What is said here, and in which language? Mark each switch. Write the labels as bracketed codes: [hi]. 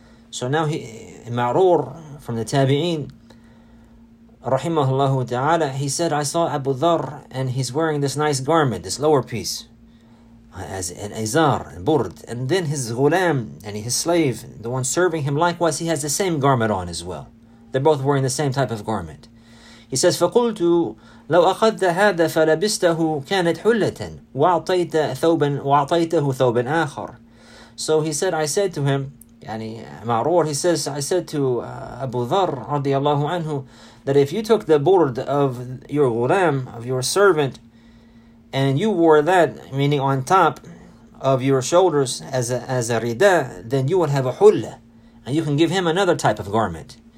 [en] So now he, Ma'rur from the Tabi'een, rahimahullahu ta'ala, he said, I saw Abu Dharr and he's wearing this nice garment, this lower piece, as an izar, a burd. And then his ghulam, and his slave, the one serving him, likewise, he has the same garment on as well. They're both wearing the same type of garment. He says, [ar] فَقُلْتُ لَوْ أَخَذَّ هَذَا فَلَبِسْتَهُ كَانَتْ حُلَّةً وَعْطَيْتَهُ ثَوْبًا آخَرٍ. [en] So he said, I said to him, [ar] يعني معرور. [en] He says, I said to Abu Dharr [ar] رضي الله عنه [en] that if you took the board of your ghulam, of your servant, and you wore that, meaning on top of your shoulders as a rida, then you would have a hulla, and you can give him another type of garment.